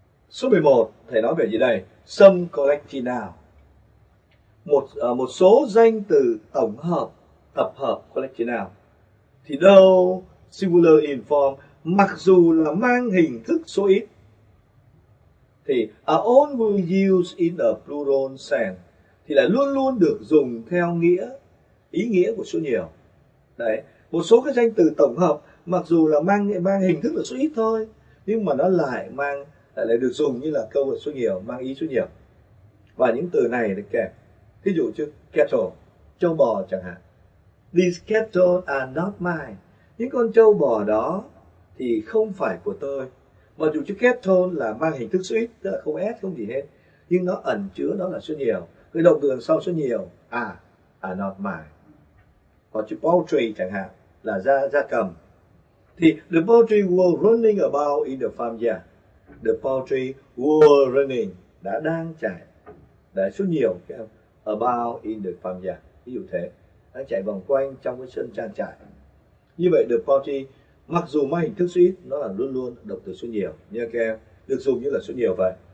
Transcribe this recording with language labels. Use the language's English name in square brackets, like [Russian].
[Vietnamese] Số 11, thầy nói về gì đây? [English] Some collection now. [Vietnamese] Một số danh từ tổng hợp, tập hợp, [English] collection now. [Vietnamese] Thì đâu, [English] singular in form, [Vietnamese] mặc dù là mang hình thức số ít. [English] Thì are always used in a plural sense. [Vietnamese] Thì là luôn luôn được dùng theo nghĩa, ý nghĩa của số nhiều. Đấy, một số cái danh từ tổng hợp, mặc dù là mang hình thức là số ít thôi, nhưng mà nó lại được dùng như là câu vật số nhiều, mang ý số nhiều. Và những từ này được kẹp, ví dụ như cattle, châu bò chẳng hạn. [English] These cattle are not mine. [Vietnamese] Những con châu bò đó thì không phải của tôi. Mặc dù chữ cattle là mang hình thức số ít, tức là không s, không gì hết, nhưng nó ẩn chứa đó là số nhiều. Cái động từ sau số nhiều, [English] are not mine. [Vietnamese] Còn chữ poultry chẳng hạn là gia cầm. [English] Thì the poultry were running about in the farm yard. The poultry were running, [Vietnamese] đã đang chạy, đã số nhiều, [English] about in the farm yard, [Vietnamese] ví dụ thế, đang chạy vòng quanh trong cái sân trang trại. Như vậy the poultry, mặc dù mang hình thức số ít, nó là luôn luôn động từ số nhiều, như các em, được dùng như là số nhiều vậy.